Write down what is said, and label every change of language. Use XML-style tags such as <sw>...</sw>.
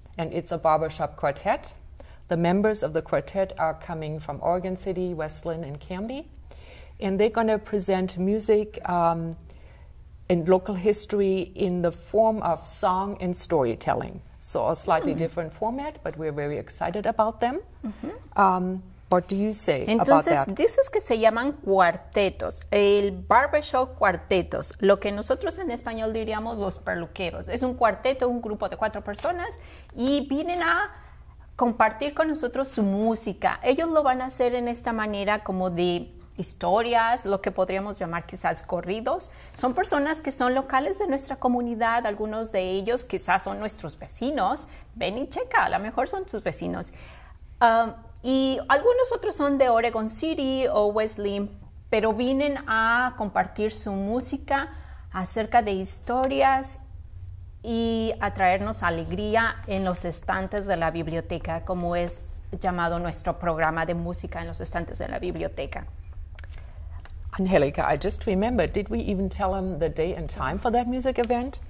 <en>And it's a barbershop quartet. The members of the quartet are coming from Oregon City, Westland, and Camby. And they're going to present music and local history in the form of song and storytelling. So a slightly different format, but we're very excited about them. Mm-hmm. What do you say</en> <es>Entonces,</es> <en>about that?</en> <es>Entonces, dices que se llaman cuartetos, el barbershop cuartetos, lo que nosotros en español diríamos los peluqueros. Es un cuarteto, un grupo de cuatro personas, y vienen a compartir con nosotros su música. Ellos lo van a hacer en esta manera como de historias, lo que podríamos llamar quizás corridos. Son personas que son locales de nuestra comunidad, algunos de ellos quizás son nuestros vecinos. Ven y checa, a lo mejor son tus vecinos. Y algunos otros son de Oregon City o Westland, pero vienen a compartir su música acerca de historias y a traernos alegría en los estantes de la biblioteca, como es llamado nuestro programa de música en los estantes de la biblioteca.</es> <en>Angelica, I just remembered, did we even tell them the day and time for that music event?</en>